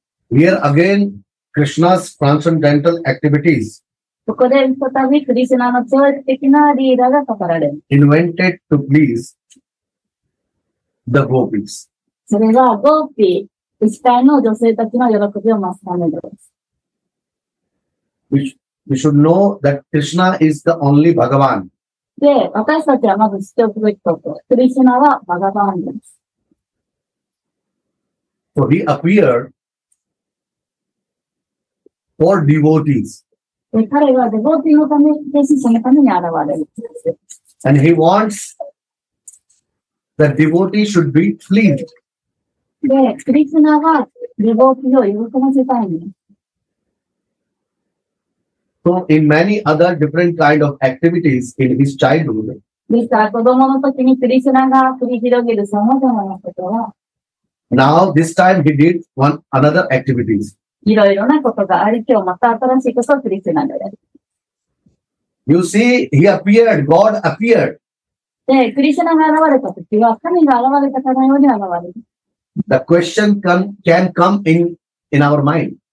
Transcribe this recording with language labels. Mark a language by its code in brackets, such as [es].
[en] Here again, Krishna's transcendental activities. [ja] ここで再びクリシュナの超越的なリーダーが語られる。 [en] Invented to please the gopis. [ja] それがゴーピー、牛飼いの女性たちの喜びを増すためです。 [en] We should know that Krishna is the only Bhagavan. [ja] で、私たちはまず知っておくべきこと。クリシュナはバガバンです。 [en] So he appeared for devotees. [ja] 彼はデボーティーのため、弟子さんのために現れるんです。 [en] And he wants that devotee should be pleased. [ja] で、クリスナはデボーティーを喜ばせたいんです。 [en] So in many other different kind of activities in his childhood. [ja] ですから子供の時にクリスナが繰り広げる様々なことは。 [en] Now this time he did one another activities. [ja] いろいろなことがあり、今日また新しいことをクリシュナがやる。 [en] You see, he appeared, God appeared. [ja] で、クリシュナが現れたときは、神が現れたかのように現れる。 [en] The question can come in our mind.